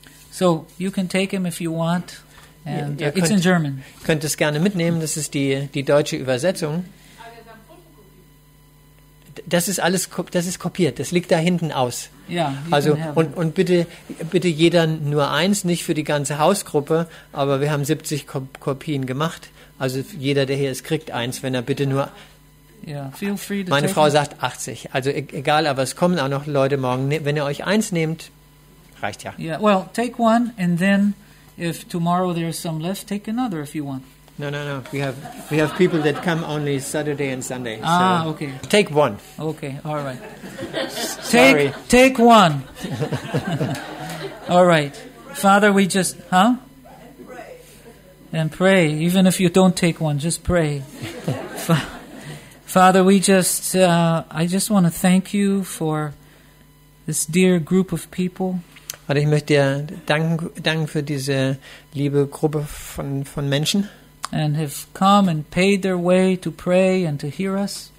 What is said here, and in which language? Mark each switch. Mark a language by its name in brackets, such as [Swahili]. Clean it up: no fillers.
[English] So, you can take him if you want. And it's in German. [German] Könnt es gerne mitnehmen, das ist die deutsche Übersetzung. Das ist kopiert, das liegt da hinten aus. Yeah, also, und bitte jeder nur eins, nicht für die ganze Hausgruppe, aber wir haben 70 Kopien gemacht. Also jeder, der hier ist, kriegt eins, wenn er bitte nur... [English] Yeah, feel free to [German] meine Frau sagt 80. Also egal, aber es kommen auch noch Leute morgen. Wenn ihr euch eins nehmt, reicht ja. [English] Yeah, well, take one and then if tomorrow there's some left, take another if you want. No. We have people that come only Saturday and Sunday. So ah, okay. Take one. Okay, all right. Sorry. Take one. All right. Father, we just... Huh? And pray, even if you don't take one, just pray. Father, I just want to thank you for this dear group of people. [German] Vater, ich möchte dir danken für diese liebe Gruppe von Menschen. [English] And have come and paid their way to pray and to hear us.